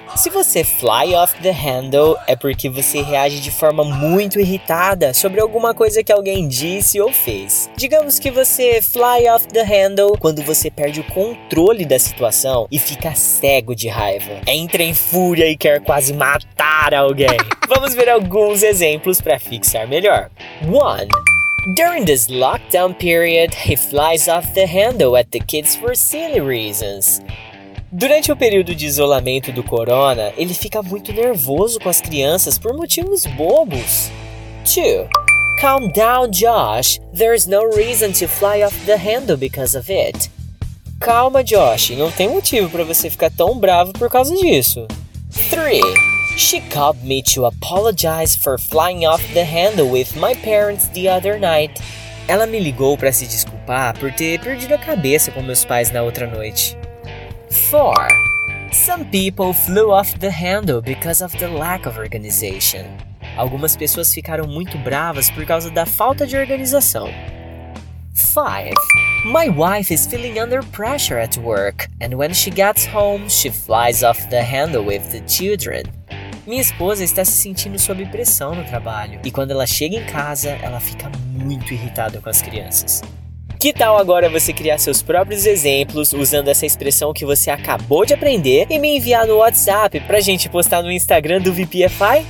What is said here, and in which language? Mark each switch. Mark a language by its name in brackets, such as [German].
[Portuguese] Se você [English] fly off the handle, [Portuguese] é porque você reage de forma muito irritada sobre alguma coisa que alguém disse ou fez. Digamos que você [English] fly off the handle [Portuguese] quando você perde o controle da situação e fica cego de raiva. Entra em fúria e quer quase matar alguém. Vamos ver alguns exemplos para fixar melhor. 1. [English] During this lockdown period, he flies off the handle at the kids for silly reasons. [Portuguese] Durante o período de isolamento do corona, ele fica muito nervoso com as crianças por motivos bobos. [English] 2. Calm down, Josh. There's no reason to fly off the handle because of it. [Portuguese] Calma, Josh. Não tem motivo para você ficar tão bravo por causa disso. 3. [English] She called me to apologize for flying off the handle with my parents the other night. [Portuguese] Ela me ligou para se desculpar por ter perdido a cabeça com meus pais na outra noite. 4. [English] Some people flew off the handle because of the lack of organization. [Portuguese] Algumas pessoas ficaram muito bravas por causa da falta de organização. 5. [English] My wife is feeling under pressure at work, and when she gets home, she flies off the handle with the children. [Portuguese] Minha esposa está se sentindo sob pressão no trabalho, e quando ela chega em casa, ela fica muito irritada com as crianças. Que tal agora você criar seus próprios exemplos usando essa expressão que você acabou de aprender e me enviar no WhatsApp pra gente postar no Instagram do VPFI?